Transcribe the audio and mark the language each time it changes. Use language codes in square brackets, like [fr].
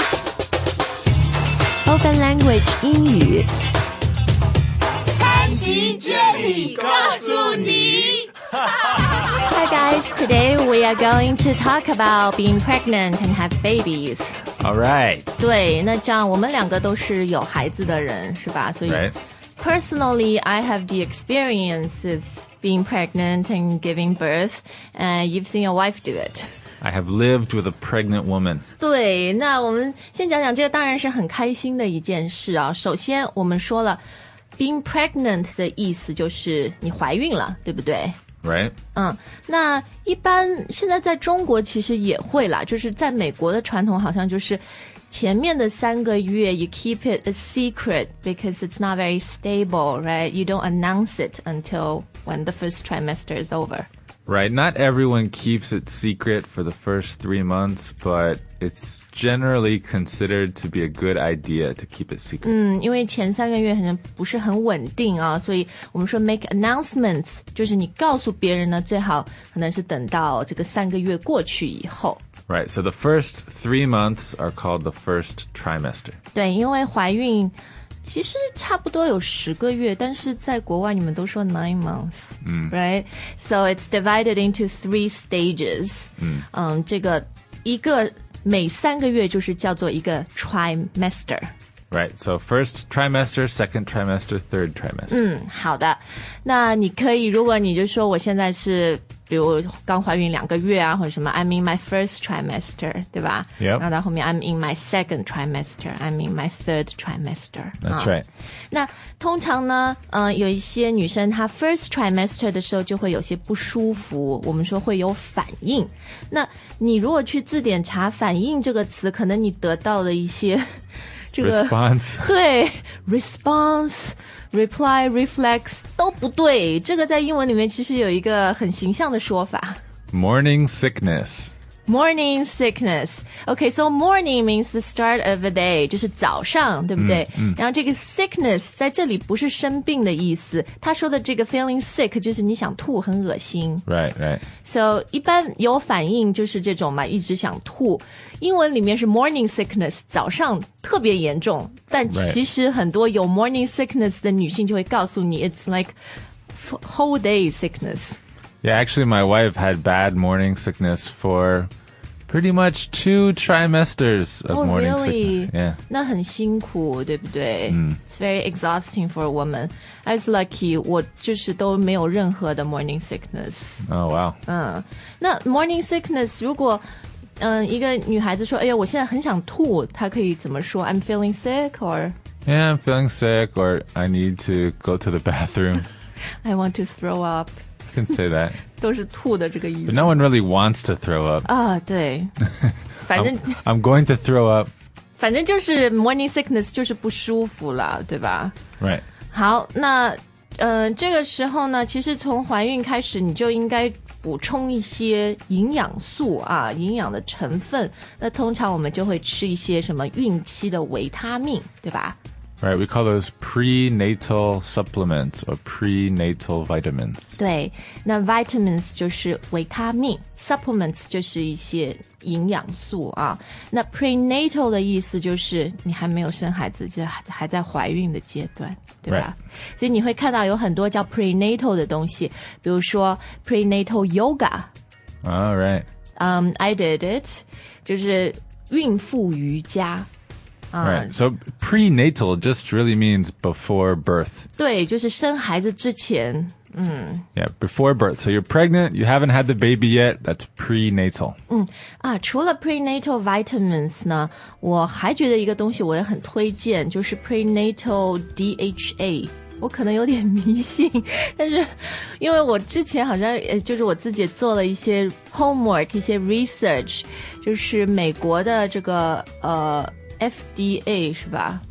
[en] Spoken language 英语。 [zh] 潘吉接力告诉你。 [en] Hi guys, today we are going to talk about being pregnant and have babies. All right. [zh] 对，那这样我们两个都是有孩子的人，是吧？所以、 [en] right. Personally, I have the experience of being pregnant and giving birth, and you've seen your wife do it. I have lived with a pregnant woman. [zh] 对，那我们先讲讲这个当然是很开心的一件事啊。首先我们说了 being pregnant 的意思就是你怀孕了，对不对？ [en] Right. [zh] 那一般现在在中国其实也会啦，就是在美国的传统好像就是前面的三个月 you keep it a secret because it's not very stable, right? [en] You don't announce it until when the first trimester is over. Right, not everyone keeps it secret for the first 3 months, but it's generally considered to be a good idea to keep it secret. [zh] 因为前三个月好像不是很稳定啊，所以我们说 make announcements, 就是你告诉别人呢，最好可能是等到这个三个月过去以后。 [en] Right, so the first 3 months are called the first trimester. [zh] 对，因为怀孕其实差不多有十个月，但是在国外你们都说 9 months,、right? So it's divided into 3 stages.、这个一个每三个月就是叫做一个 trimester. [en] Right, so first trimester, second trimester, third trimester. [zh] 好的。那你可以如果你就说我现在是比如刚怀孕两个月啊或者什么 I'm in my first trimester, 对吧、 [en] yep. [zh] 然后到后面 I'm in my second trimester, I'm in my third trimester. [en] That's right. [zh] 那通常呢、有一些女生她 first trimester 的时候就会有些不舒服，我们说会有反应。那你如果去字典查反应这个词，可能你得到了一些这个 [en] response. [zh] 对 response,Reply, reflex, 都不对。这个在英文里面其实有一个很形象的说法。 [en] Morning sickness. Morning sickness. Okay, so morning means the start of the day, 就是早上，对不对？ [zh] 然后这个 sickness 在这里不是生病的意思。他说的这个 feeling sick 就是你想吐，很恶心。 [en] Right, right. [zh] So 一般有反应就是这种嘛，一直想吐。英文里面是 morning sickness, 早上特别严重。但其实很多有 morning sickness 的女性就会告诉你 it's like whole day sickness. [en] Yeah, actually my wife had bad morning sickness for pretty much 2 trimesters of morning sickness. Yeah. 那很辛苦对不对、 It's very exhausting for a woman. [zh] I was lucky, 我就是都没有任何的 morning sickness. [en] Oh, wow. [zh] 那 morning sickness 如果一个女孩子说哎呀我现在很想吐，她可以怎么说 I'm feeling sick or [en] Yeah, I'm feeling sick or I need to go to the bathroom. I want to throw up. You can say that. [zh] 都是吐的这个意思。 [en] But no one really wants to throw up. [zh] 对。反正 [en] I'm going to throw up. [zh] 反正就是 morning sickness 就是不舒服了对吧 [en] Right. [zh] 好那这个时候呢其实从怀孕开始你就应该补充一些营养素啊营养的成分那通常我们就会吃一些什么孕期的维他命对吧 [en] Right, we call those prenatal supplements or prenatal vitamins [zh] 对那 vitamins 就是维他命 supplements 就是一些营养素啊那 prenatal 的意思就是你还没有生孩子就还在怀孕的阶段对吧、 [en] right. [zh] 所以你会看到有很多叫 prenatal 的东西比如说 prenatal yoga [en] All right、 [zh] I did it 就是孕妇瑜伽、 [en] Right. So prenatal just really means before birth [zh] 对就是生孩子之前 [en] Yeah, before birth. So you're pregnant, you haven't had the baby yet, that's prenatal. [zh] 除了 prenatal vitamins 呢，我还觉得一个东西我也很推荐，就是 prenatal DHA。我可能有点迷信，但是因为我之前好像就是我自己做了一些 homework, 一些 research, 就是美国的这个FDA 是吧？